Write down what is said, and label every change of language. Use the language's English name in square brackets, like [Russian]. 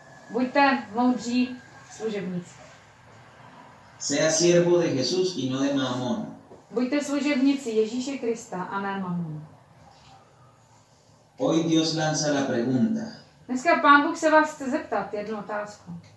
[Czech] Buďte moudří služebníci. [Spanish] Sea siervo de Jesús y no de Mamón. [Czech] Buďte služebníci Ježíše Krista a ne Mamón. [Spanish] Hoy Dios lanza la pregunta. [Czech] Dneska Pán Bůh se vás chce zeptat jednu otázku.